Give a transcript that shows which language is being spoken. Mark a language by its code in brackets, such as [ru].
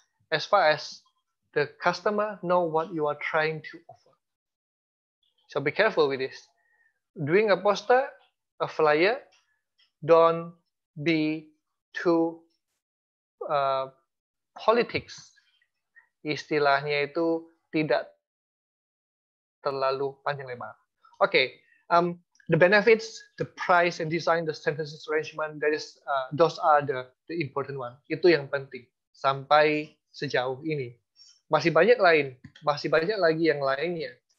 [en] As far as the customer know what you are trying to offer. So be careful with this. Doing a poster, a flyer, don't be too politics. [id] Istilahnya itu tidak terlalu panjang lebar. [en] Okay, the benefits, the price and design, the sentences arrangement, that is, those are the important one. [id] Itu yang penting sampai sejauh ini. Masih banyak lain, masih banyak lagi yang lainnya.